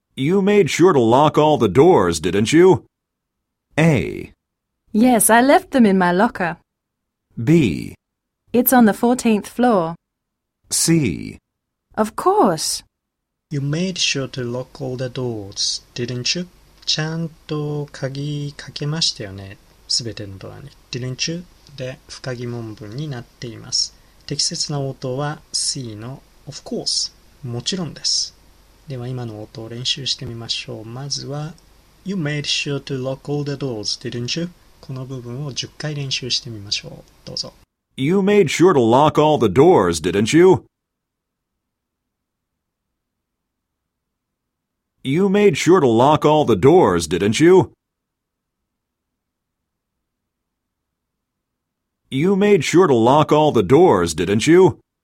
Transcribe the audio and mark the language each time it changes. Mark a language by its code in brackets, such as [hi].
[en] You made sure to lock all the doors, didn't you? A. Yes, I left them in my locker. B. It's on the 14th floor. C. Of course. You made sure to lock all the doors, didn't you? [ja] ちゃんと鍵かけましたよね。すべてのドアに。 [en] Didn't you? [ja] で、不可疑問文になっています。適切な応答は C の [en] Of course。 [ja] もちろんです。では今の音を練習してみましょう。まずは [en] You made sure to lock all the doors, didn't you? [ja] この部分を10回練習してみましょう。どうぞ。 [en] You made sure to lock all the doors, didn't you? You made sure to lock all the doors, didn't you? You made sure to lock all the doors, didn't you?